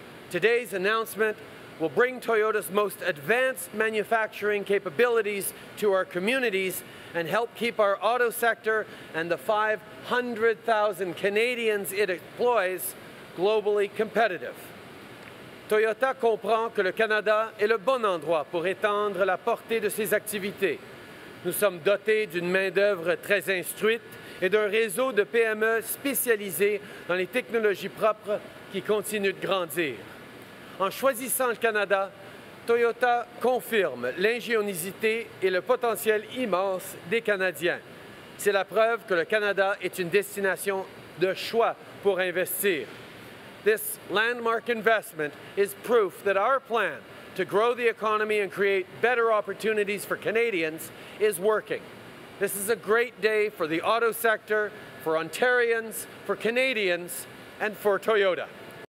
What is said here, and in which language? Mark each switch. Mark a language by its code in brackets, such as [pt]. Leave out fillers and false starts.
[en] Today's announcement will bring Toyota's most advanced manufacturing capabilities to our communities and help keep our auto sector and the 500,000 Canadians it employs globally competitive. [fr] Toyota comprend que le Canada est le bon endroit pour étendre la portée de ses activités. Nous sommes dotés d'une main-d'œuvre très instruite et d'un réseau de PME spécialisées dans les technologies propres qui continuent de grandir. En choisissant le Canada, Toyota confirme l'ingéniosité et le potentiel immense des Canadiens. C'est la preuve que le Canada est une destination de choix pour investir. [en] This landmark investment is proof that our plan to grow the economy and create better opportunities for Canadians is working. This is a great day for the auto sector, for Ontarians, for Canadians, and for Toyota.